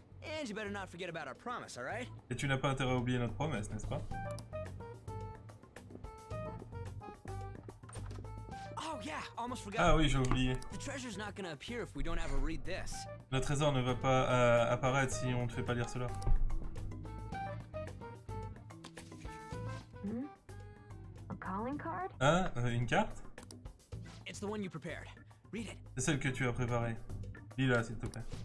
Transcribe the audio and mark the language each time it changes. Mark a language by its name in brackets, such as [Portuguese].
[English] And you better not forget about our promise, all right? [French] Et tu n'as pas intérêt à oublier notre promesse, n'est-ce pas? [English] Oh yeah, almost forgot. [French] Ah oui, j'ai oublié. [English] The treasure's not gonna appear if we don't ever read this. [French] Le trésor ne va pas apparaître si on ne fait pas lire cela. [English] Calling card? [French] Hein? Une carte? [English] It's the one you prepared. Read it. [French] C'est celle que tu as préparée. Lis-la, s'il te plaît.